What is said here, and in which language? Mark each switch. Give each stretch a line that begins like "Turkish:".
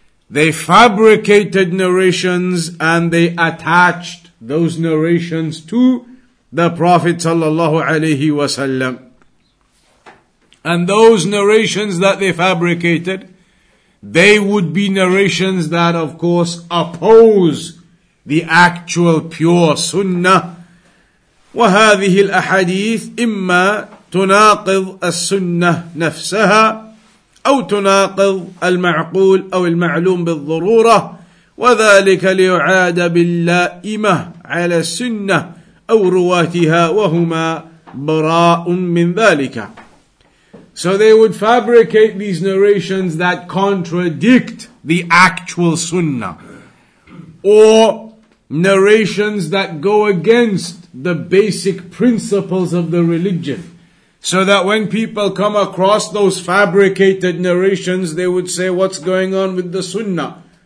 English: They fabricated narrations and they attached those narrations to the Prophet sallallahu alaihi wasallam. And those narrations that they fabricated, they would be narrations that of course oppose the actual pure sunnah.
Arabic: وهذه الأحاديث إما تناقض السنة نفسها أو تناقض المعقول أو المعلوم بالضرورة وذلك ليعاد باللائمة على السنة أو رواتها وهما براء من ذلك.
English: So they would fabricate these narrations that contradict the actual Sunnah, or narrations that go against the basic principles of the religion. So that when people come across those fabricated narrations, they would say, what's going on with the Sunnah?